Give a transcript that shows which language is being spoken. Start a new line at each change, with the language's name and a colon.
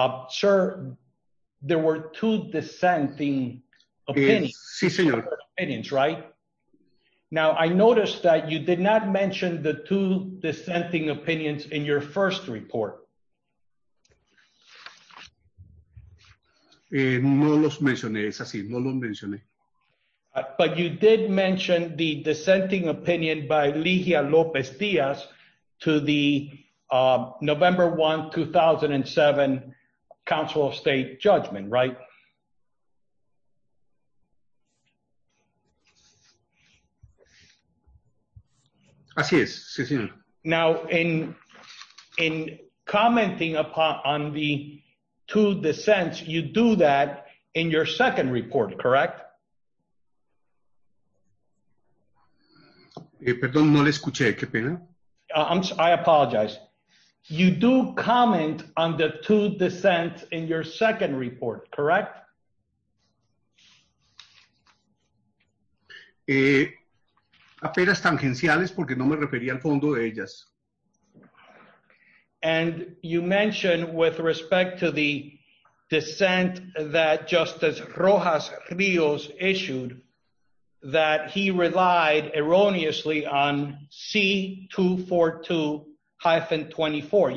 English: Sir, there were two dissenting opinions.
Spanish: Sí, señor.
English: Opinions, right? Now, I noticed that you did not mention the two dissenting opinions in your first report.
Spanish: No los mencioné, es así, no los mencioné.
English: But you did mention the dissenting opinion by Ligia López Díaz to the November 1, 2007 Council of State judgment, right?
Spanish: Así es, sí, señor.
English: Now, in commenting on the two dissents, you do that in your second report, correct?
Spanish: Perdón, no le escuché, qué pena.
English: I apologize. You do comment on the two dissents in your second report, correct?
Spanish: Apenas tangenciales porque no me refería al fondo de ellas.
English: And you mentioned with respect to the dissent that Justice Rojas Ríos issued that he relied erroneously on C242-24.